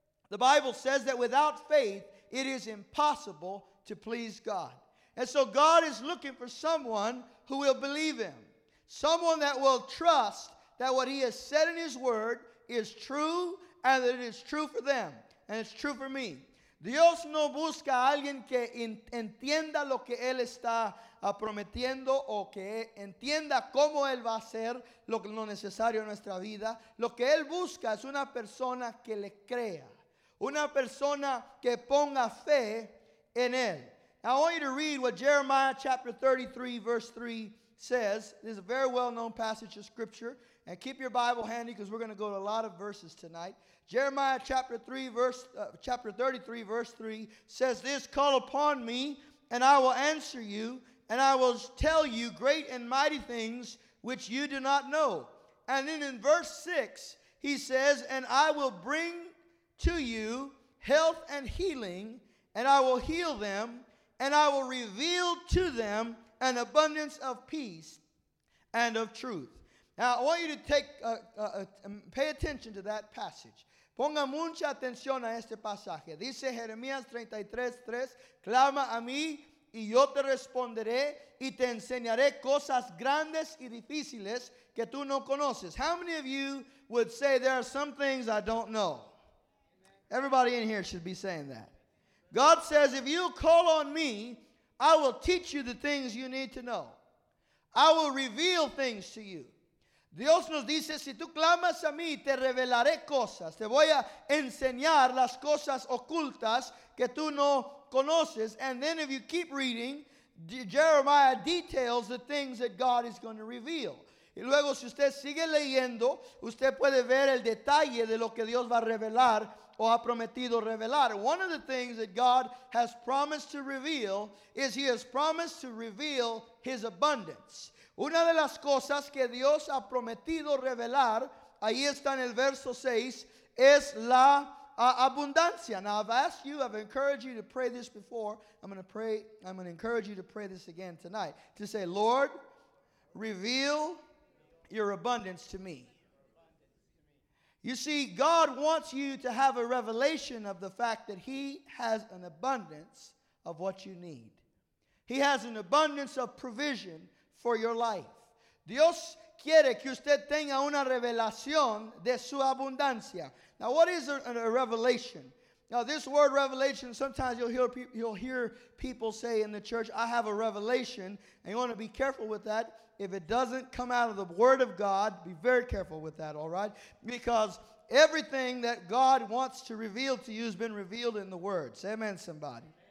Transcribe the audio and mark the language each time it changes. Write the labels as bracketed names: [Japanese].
[English] The Bible says that without faith, it is impossible to please God. And so God is looking for someone who will believe him, someone that will trust that what he has said in his word is true, and that it is true for them, and it's true for me. [Spanish] Dios no busca a alguien que entienda lo que él está prometiendo o que entienda cómo él va a hacer lo necesario en nuestra vida. Lo que él busca es una persona que le crea, una persona que ponga fe en él. [English] Now I want you to read what Jeremiah chapter 33 verse 3 says. This is a very well-known passage of scripture. And keep your Bible handy because we're going to go to a lot of verses tonight. Jeremiah chapter 33, verse 3 says this, call upon me and I will answer you, and I will tell you great and mighty things which you do not know. And then in verse 6, he says, and I will bring to you health and healing, and I will heal them, and I will reveal to them an abundance of peace and of truth. Now, I want you to pay attention to that passage. [Spanish] Ponga mucha atención a este pasaje. Dice Jeremías 33:3, clama a mí y yo te responderé y te enseñaré cosas grandes y difíciles que tú no conoces. [English] How many of you would say there are some things I don't know? Everybody in here should be saying that. God says, if you call on me, I will teach you the things you need to know. I will reveal things to you. [Spanish] Dios nos dice, si tú clamas a mí, te revelaré cosas. Te voy a enseñar las cosas ocultas que tú no conoces. [English] And then if you keep reading, Jeremiah details the things that God is going to reveal. [Spanish] Y luego si usted sigue leyendo, usted puede ver el detalle de lo que Dios va a revelar o ha prometido revelar. [English] One of the things that God has promised to reveal is he has promised to reveal his abundance. [Spanish] Una de las cosas que Dios ha prometido revelar, ahí está en el verso 6, es la abundancia. [English] Now I've asked you, I've encouraged you to pray this before. I'm going to encourage you to pray this again tonight. To say, Lord, reveal your abundance to me. You see, God wants you to have a revelation of the fact that he has an abundance of what you need. He has an abundance of provision for your life. [Spanish] Dios quiere que usted tenga una revelación de su abundancia. [English] Now, what is a revelation? Now, this word revelation, sometimes you'll hear people say in the church, I have a revelation. And you want to be careful with that. If it doesn't come out of the word of God, be very careful with that, all right? Because everything that God wants to reveal to you has been revealed in the word. Say amen, somebody.